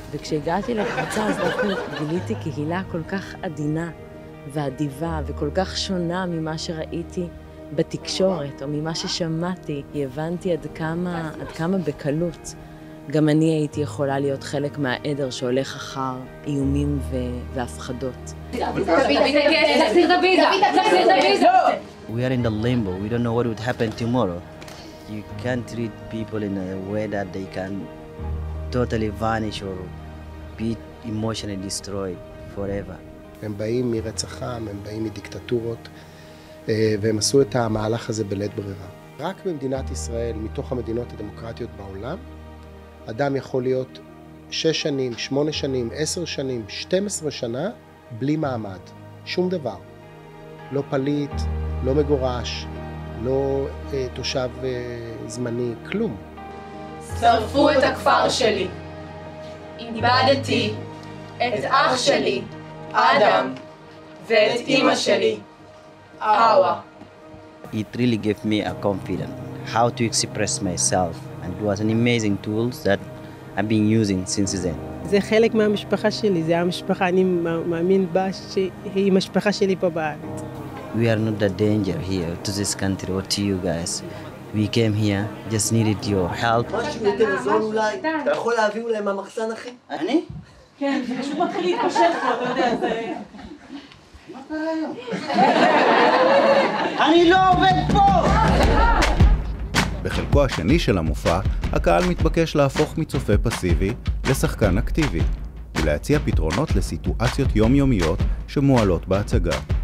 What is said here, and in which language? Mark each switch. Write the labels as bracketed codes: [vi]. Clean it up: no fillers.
[he] וכשהגעתי לקבוצה, אז דווקא גיליתי קהילה כל כך עדינה ועדיבה וכל כך שונה ממה שראיתי בתקשורת או ממה ששמעתי, הבנתי עד כמה בקלות. גם אני הייתי יכולה להיות חלק מהעדר שהולך אחר איומים והפחדות. [en] We are in the limbo. We don't know what would happen tomorrow. You can't treat people in a way that they can totally vanish or be emotionally destroyed forever. [he] הם באים מרצח עם, הם באים מדיקטטורות, והם עשו את המהלך הזה בלית ברירה. רק במדינת ישראל, מתוך המדינות הדמוקרטיות בעולם, אדם יכול להיות 6 שנים, 8 שנים, 10 שנים, 12 שנה, בלי מעמד. שום דבר. לא פליט, לא מגורש, לא תושב זמני, כלום. שרפו את הכפר שלי. איבדתי את אח שלי, אדם, ואת אמא שלי, אווה. [en] It really gave me a confidence how to express myself. And it was an amazing tool that I've been using since then. [he] זה חלק מהמשפחה שלי, זה המשפחה, אני מאמין בה שהיא משפחה שלי פה בארץ. [en] We are not a danger here to this country or to you guys. We came here, just needed your help. [he] משהו יותר זול אולי, אתה יכול להביא אולי מהמחסן אחי? אני? כן, זה פשוט מתחיל להתפשט פה, אתה יודע, זה... אני לא עובד פה! בחלקו השני של המופע, הקהל מתבקש להפוך מצופה פסיבי לשחקן אקטיבי, ולהציע פתרונות לסיטואציות יומיומיות שמועלות בהצגה.